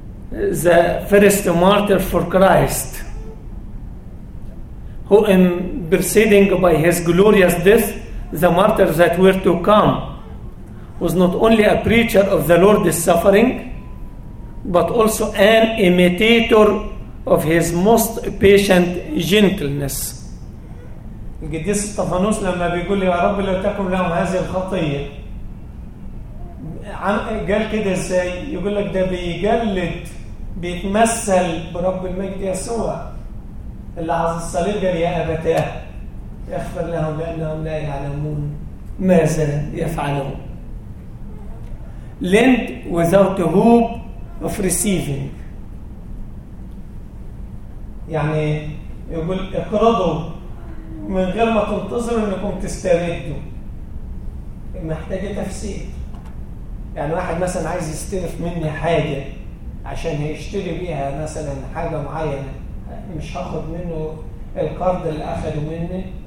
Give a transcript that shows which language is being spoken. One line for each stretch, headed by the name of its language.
English: The first martyr for Christ, who in preceding by his glorious death, the martyrs that were to come, was not only a preacher of the Lord's suffering, but also an imitator of his most patient gentleness.
Arabic: القديس استفانوس لما بيقول يا رب لا تكن لهم هذه الخطيه, قال كده ازاي؟ يقول لك ده بيجلد, بيتمثل برب المجد يسوع اللي على الصليب, قال يا ابتاه اغفر لهم لانهم لا يعلمون ماذا يفعلون.
English: Lent without hope of receiving.
Arabic: يعني يقول اقرضوا من غير ما تنتظروا انكم تستردوا. محتاجة تفسير. يعني واحد مثلا عايز يستلف مني حاجة عشان هيشتري بيها مثلا حاجة معينة, مش هاخد منه القرض اللي أخده مني.